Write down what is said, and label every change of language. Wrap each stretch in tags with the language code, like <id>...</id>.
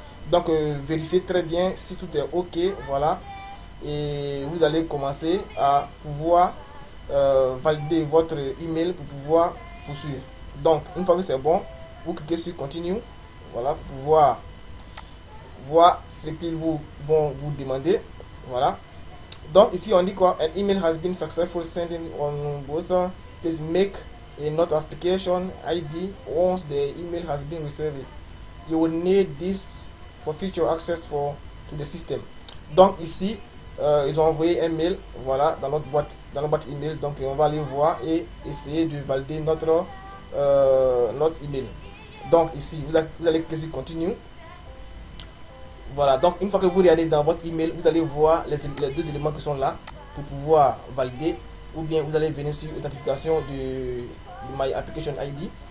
<fr>Donc vérifiez très bien si tout est OK, voilà. Et vous allez commencer à pouvoir valider votre email pour pouvoir poursuivre. Donc, une fois que c'est bon, vous cliquez sur continue. Voilà, pour pouvoir voir ce qu'ils vont vous demander. Voilà. Donc, ici, on dit quoi?</fr> <en>An email has been successfully sent on browser. Please make a note application ID once the email has been received. You will need this for future access for to the system.</en> <fr>Donc, ici, ils ont envoyé un mail, voilà, dans notre boîte email. Donc, on va aller voir et essayer de valider notre, notre email. Donc, ici, vous allez cliquer sur continue. Voilà, donc une fois que vous regardez dans votre email, vous allez voir les deux éléments qui sont là pour pouvoir valider, ou bien vous allez venir sur authentification de My Application ID.</fr>